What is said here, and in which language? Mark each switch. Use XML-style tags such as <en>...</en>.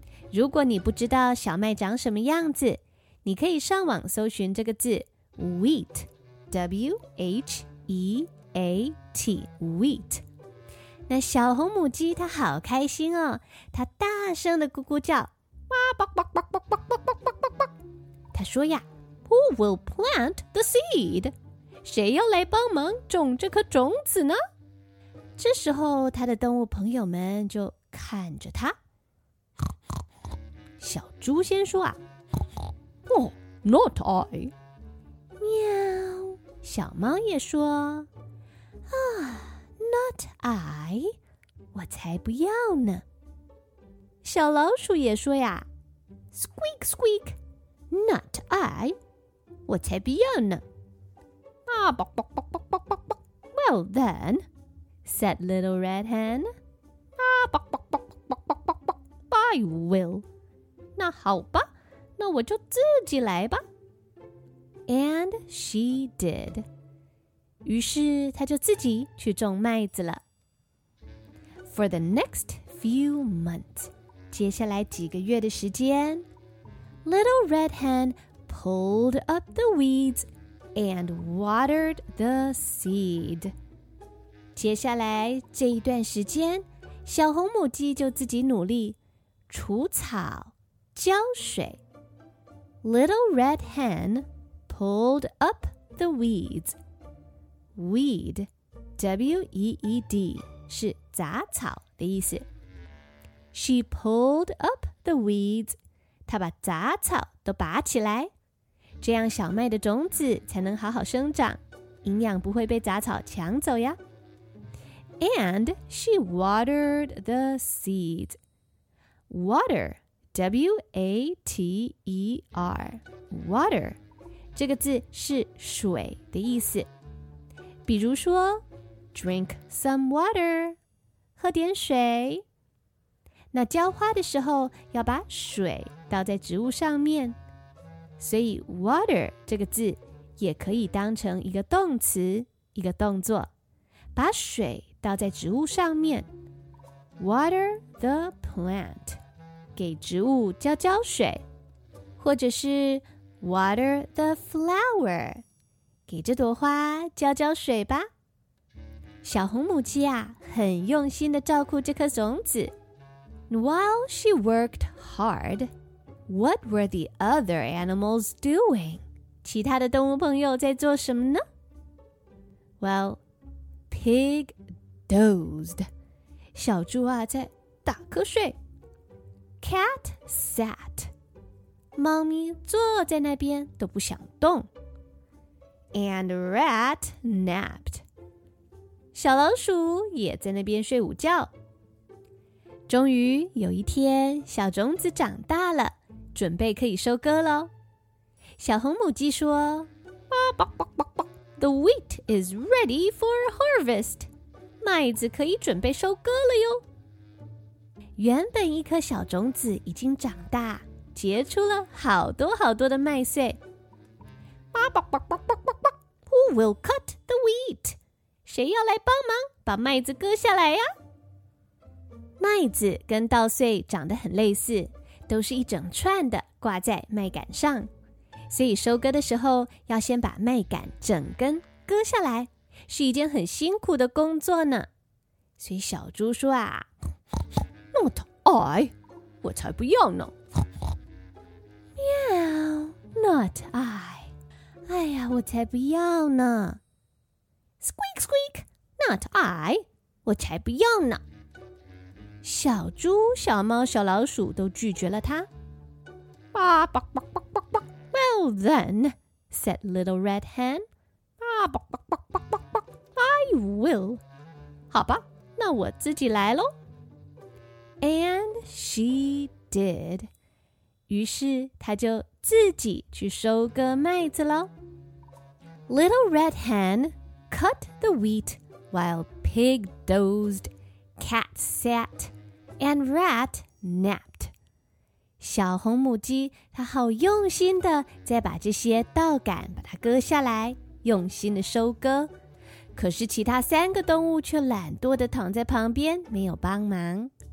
<zh>如果你不知道小麦长什么样子，你可以上网搜寻这个字 wheat, W-H-E-A-T, wheat。那小红母鸡它好开心哦，它大声的咕咕叫，哇哇哇哇哇哇哇哇哇哇哇。它说呀</zh> <en>，Who will plant the seed？</en> <zh>谁要来帮忙种这颗种子呢？这时候，它的动物朋友们就看着它。小猪先说啊，</zh> <en>哦 ，Not I。</en> <zh>喵，小猫也说啊。</zh> <en>Not I，</en> <zh>我才不要呢。小老鼠也说呀 ，</zh> <en>Squeak squeak， not I，</en> <zh>我才不要呢。</zh> <en>Ah, bok bok bok bok bok bok bok. Well then, said Little Red Hen. Ah, bok bok bok bok bok bok bok bok. I will.</en> <zh>那好吧，那我就自己来吧。</zh> <en>And she did.</en> <zh>于是他就自己去种麦子了。</zh> <en>For the next few months,</en> <zh>接下来几个月的时间，</zh> <en>Little Red Hen pulled up the weeds and watered the seed.</en> <zh>接下来这一段时间，小红母鸡就自己努力除草、浇水。 Little Red Hen pulled up the weeds. Weed, W-E-E-D, 是杂草的意思。</zh> <en>She pulled up the weeds,</en> <zh>她把杂草都拔起来，这样小麦的种子才能好好生长，营养不会被杂草抢走呀。</zh> <en>And she watered the seeds.</en> <zh>Water, W-A-T-E-R, water, 这个字是水的意思。比如说 ,</zh> <en>drink some water,</en> <zh>喝点水。那浇花的时候要把水倒在植物上面。所以 water 这个字也可以当成一个动词，一个动作。把水倒在植物上面。</zh> <en>Water the plant,</en> <zh>给植物浇浇水。或者是</zh> <en>water the flower,</en> <zh>给这朵花浇浇水吧。小红母鸡啊，很用心地照顾这颗种子。</zh> <en>While she worked hard, what were the other animals doing?</en> <zh>其他的动物朋友在做什么呢？</zh> <en>Well, pig dozed.</en> <zh>小猪啊，在打瞌睡。</zh> <en>Cat sat.</en> <zh>猫咪坐在那边都不想动。</zh> <en>And rat napped.</en> <zh>小老鼠也在那边睡午觉。终于有一天，小种子长大了，准备可以收割了。小红母鸡说</zh> <en>,The wheat is ready for harvest.</en> <zh>麦子可以准备收割了哟。原本一颗小种子已经长大，结出了好多好多的麦穗。</zh> <en>Who will cut the wheat?</en> <zh>谁要来帮忙把麦子割下来呀？麦子跟稻穗长得很类似，都是一整串的挂在麦杆上，所以收割的时候要先把麦杆整根割下来，是一件很辛苦的工作呢。所以小猪说啊，</zh> <en>Not I，</en> <zh>我才不要呢。</zh> <en>喵 ，Not I。</en> <zh>哎呀，我才不要呢 ！</zh> <en>Squeak squeak, not I，</en> <zh>我才不要呢！小猪、小猫、小老鼠都拒绝了他。</zh> <en>Ah, bok bok bok bok bok. Well then, said Little Red Hen. Ah, bok bok bok bok bok bok. I will.</en> <zh>好吧，那我自己来咯。</zh> <en>And she did.</en> <zh>于是她就自己去收割麦子咯。</zh> <en>Little Red Hen cut the wheat while Pig dozed, Cat sat, and Rat napped.</en> <zh>小红母鸡她好用心地再把这些稻杆把它割下来，用心地收割。可是其他三个动物却懒惰地躺在旁边，没有帮忙。</zh>